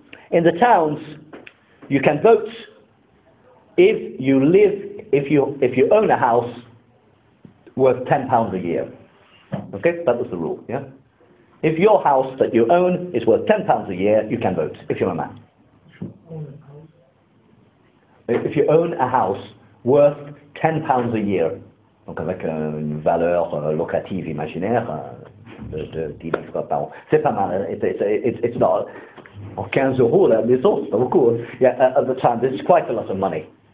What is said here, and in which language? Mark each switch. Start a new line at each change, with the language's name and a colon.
English: In the towns, you can vote if you own a house worth £10 a year. Okay, that was the rule, yeah? If your house that you own is worth £10 a year, you can vote if you're a man. If you own a house worth £10 a year,
French: donc avec une valeur locative imaginaire de 10 livres par an. C'est pas mal.
English: It's not 15 euros
French: la maison, c'est pas beaucoup.
English: Yeah, at the time, this is quite a lot of money.